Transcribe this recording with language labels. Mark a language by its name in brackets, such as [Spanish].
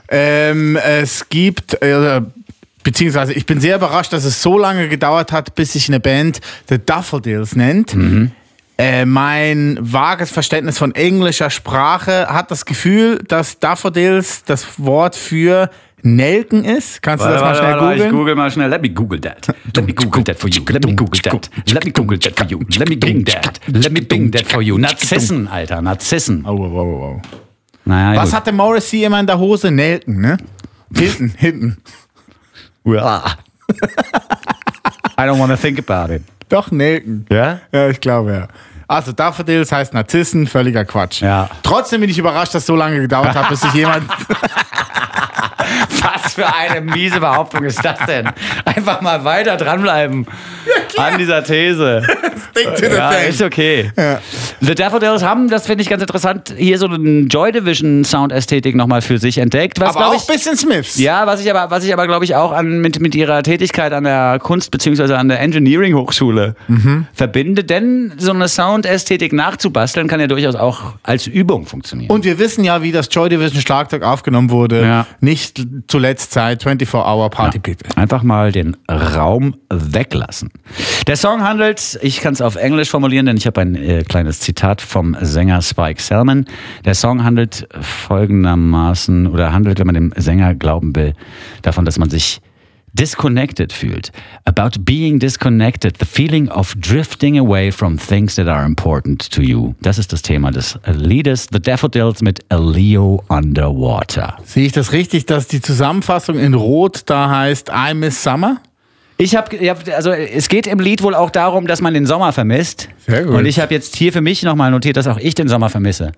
[German] Es gibt, beziehungsweise ich bin sehr überrascht, dass es so lange gedauert hat, bis sich eine Band The Daffodils nennt. Mhm. Mein vages Verständnis von englischer Sprache hat das Gefühl, dass Daffodils das Wort für Nelken ist? Kannst du das mal schnell googeln? Ich google mal schnell. [English] Let me google that. Let me google that for you. Let me google that. Let me google that for you. Let me bing that. Let me bing that for you. [German] Narzissen, Alter. Narzissen. Oh, wow, wow, wow. Naja, was hatte Morrissey immer in der Hose? Nelken, ne? Hinten, hinten. [English] I don't want to think about it. [German] Doch, Nelken. Ja? Ja, ich glaube, ja. Also, Daffodils heißt Narzissen, völliger Quatsch. Ja. Trotzdem bin ich überrascht, dass es so lange gedauert hat, bis sich jemand... Was für eine miese Behauptung ist das denn? Einfach mal weiter dranbleiben, ja, an dieser These. [English] Stick to the thing. [German] Ja, ist okay. Ja. The Daffodils haben, das finde ich ganz interessant, hier so einen Joy Division Sound-Ästhetik nochmal für sich entdeckt. Was, aber auch ein bisschen Smiths. Ja, was ich aber glaube ich auch an, mit ihrer Tätigkeit an der Kunst- bzw. an der Engineering-Hochschule verbinde. Denn so eine Sound-Ästhetik nachzubasteln kann ja durchaus auch als Übung funktionieren. Und wir wissen ja, wie das Joy Division Schlagzeug aufgenommen wurde. Ja. Nicht zuletzt Zeit, 24-Hour-Party, ja. Einfach mal den Raum weglassen. Der Song handelt, ich kann es auf Englisch formulieren, denn ich habe ein kleines Zitat vom Sänger Spike Salman. Der Song handelt folgendermaßen, oder handelt, wenn man dem Sänger glauben will, davon, dass man sich disconnected fühlt. [English] About being disconnected, the feeling of drifting away from things that are important to you. [German] Das ist das Thema des Liedes The Daffodils mit A Leo Underwater. Sehe ich das richtig, dass die Zusammenfassung in Rot da heißt [English] I miss summer? [German] Ich habe, also es geht im Lied wohl auch darum, dass man den Sommer vermisst. Sehr gut. Und ich habe jetzt hier für mich nochmal notiert, dass auch ich den Sommer vermisse.